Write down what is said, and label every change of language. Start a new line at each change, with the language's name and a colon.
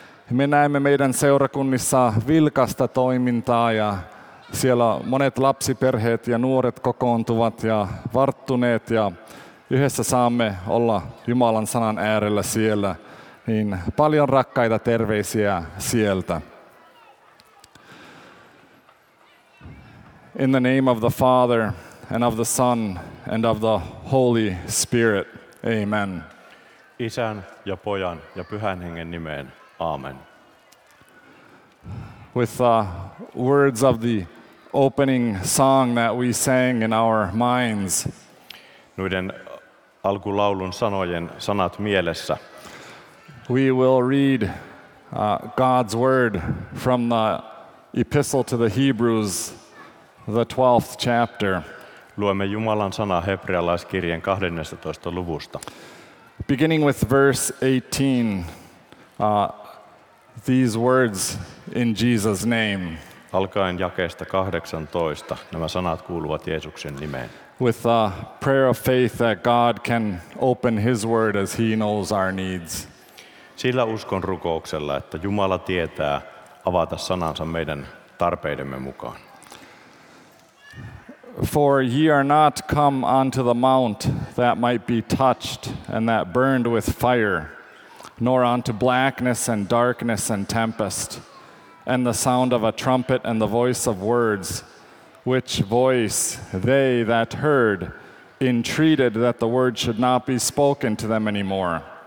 Finnish: Me näemme meidän seurakunnissa vilkasta toimintaa ja siellä monet lapsiperheet ja nuoret kokoontuvat ja varttuneet ja yhdessä saamme olla Jumalan sanan äärellä siellä. Niin paljon rakkaita terveisiä sieltä.
English: In the name of the Father and of the Son and of the Holy Spirit. Amen.
Finnish: Isän ja Pojan ja Pyhän Hengen nimeen. Amen.
English: With the words of the opening song that we sang in our minds.
Finnish: Noiden alkulaulun sanojen sanat mielessä.
English: We will read God's word from the epistle to the Hebrews, the 12th chapter.
Finnish: Luemme Jumalan sanaa hebrealaiskirjeen 12. luvusta.
English: Beginning with verse 18. These words in Jesus' name.
Finnish: Alkaen jakeesta 18, nämä sanat kuuluvat Jeesuksen nimeen.
English: With a prayer of faith that God can open his word as he knows our needs.
Finnish: Sillä uskon rukouksella, että Jumala tietää avata sanansa meidän tarpeidemme mukaan.
English: For ye are not come unto the mount that might be touched and that burned with fire, nor unto blackness and darkness and tempest, and the sound of a trumpet and the voice of words, which voice they that heard entreated that the word should not be spoken to them any more.